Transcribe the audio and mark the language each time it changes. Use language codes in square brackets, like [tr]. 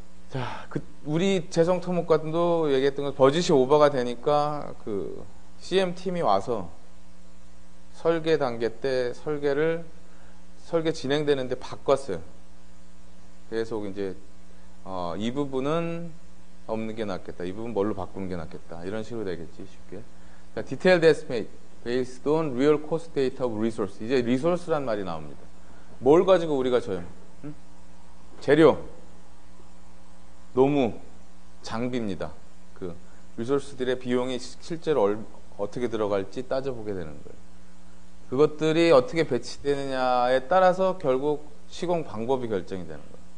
[ko] 자, 우리 재성 토목관도 얘기했던 건 버짓이 오버가 되니까 그 CM팀이 와서 설계 단계 때 설계 진행되는데 바꿨어요. 그래서 이제 이 부분은 없는 게 낫겠다. 이 부분 뭘로 바꾸는 게 낫겠다. 이런 식으로 되겠지 쉽게. [en] 자, detailed estimate based on real cost data of resource. [ko] 이제 resource란 말이 나옵니다. 뭘 가지고 우리가 져요? 응? 재료, 노무, 장비입니다. 그 resource들의 비용이 실제로 어떻게 들어갈지 따져보게 되는 거예요. 그것들이 어떻게 배치되느냐에 따라서 결국 시공 방법이 결정이 되는 거예요.